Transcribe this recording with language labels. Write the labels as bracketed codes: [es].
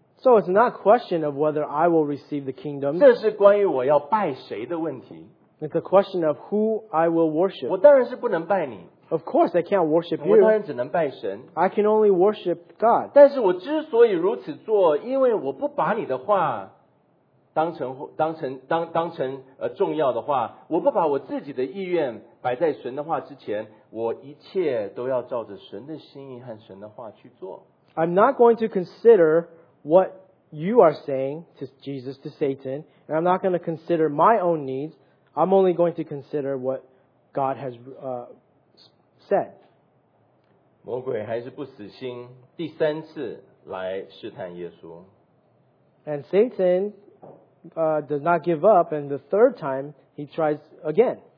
[en] so it's not a question of whether I will receive the kingdom. [zh] 这是关于我要拜谁的问题, [en] it's a question of who I will worship. [zh] 我当然是不能拜你, [en] of course, I can't worship you. [zh] 我当然只能拜神, [en] I can only worship God. [zh] 但是我之所以如此做, 因为我不把你的话, 当成重要的话, 我不把我自己的意愿, 摆在神的话之前, 我一切都要照着神的心意和神的话去做。 [en] I'm not going to consider what you are saying to Jesus, to Satan, and I'm not going to consider my own needs. I'm only going to consider what God has said. [zh] 魔鬼还是不死心, 第三次来试探耶稣。 [en] And Satan does not give up, and the third time he tries again.